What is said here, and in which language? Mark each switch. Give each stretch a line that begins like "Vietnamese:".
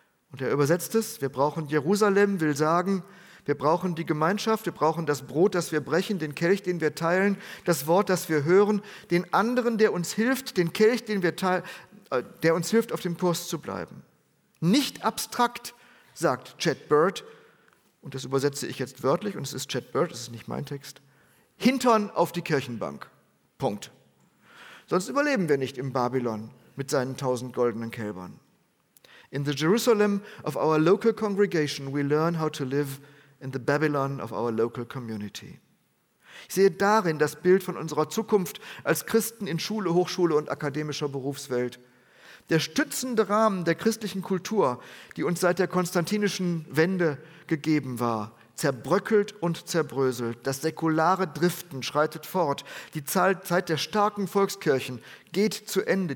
German: Und er übersetzt es: Wir brauchen Jerusalem, will sagen, wir brauchen die Gemeinschaft, wir brauchen das Brot, das wir brechen, den Kelch, den wir teilen, das Wort, das wir hören, den anderen, der uns hilft, den Kelch, den wir der uns hilft, auf dem Kurs zu bleiben. Nicht abstrakt, sagt Chad Bird, und das übersetze ich jetzt wörtlich, und es ist Chad Bird, es ist nicht mein Text, Hintern auf die Kirchenbank. Punkt. Sonst überleben wir nicht im Babylon mit seinen 1000 goldenen Kälbern.
English: In the Jerusalem of our local congregation, we learn how to live in the Babylon of our local community.
German: Ich sehe darin das Bild von unserer Zukunft als Christen in Schule, Hochschule und akademischer Berufswelt. Der stützende Rahmen der christlichen Kultur, die uns seit der konstantinischen Wende gegeben war, zerbröckelt und zerbröselt. Das säkulare Driften schreitet fort. Die Zeit der starken Volkskirchen geht zu Ende.